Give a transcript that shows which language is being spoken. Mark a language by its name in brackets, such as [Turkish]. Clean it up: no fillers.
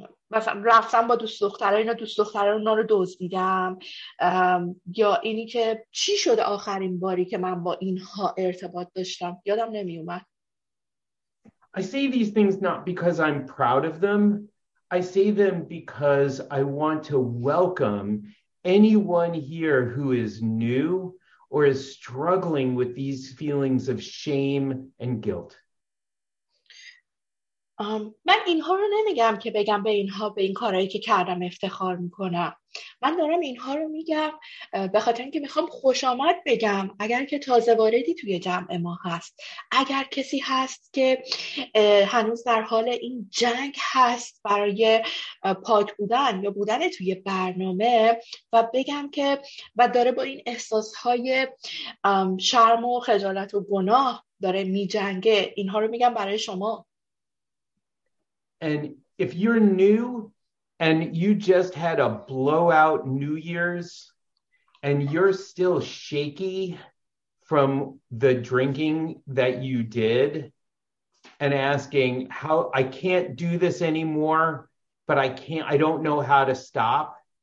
[Persian] مثلا رفتم با دوست دخترها اینا دوست دخترها اونا رو دزدیدم یا اینی که چی شده آخرین باری که من با اینها ارتباط داشتم، یادم نمیومد. [English] I say these things not because I'm proud of them. I say them because I want to welcome anyone here who is new or is struggling with these feelings of shame and guilt. [Persian] من اینها رو نمیگم که بگم به اینها به این کارهایی که کردم افتخار میکنم. من دارم اینها رو میگم به خاطر اینکه میخوام خوش آمد بگم اگر که تازه واردی توی جمع ما هست، اگر کسی هست که هنوز در حال این جنگ هست برای پات بودن یا بودن توی برنامه، و بگم که و داره با این احساسهای شرم و خجالت و گناه داره میجنگه، اینها رو میگم برای شما. [English] And if you're new and you just had a blowout New Year's and you're still shaky from the drinking that you did and asking how I can't do this anymore, but I don't know how to stop.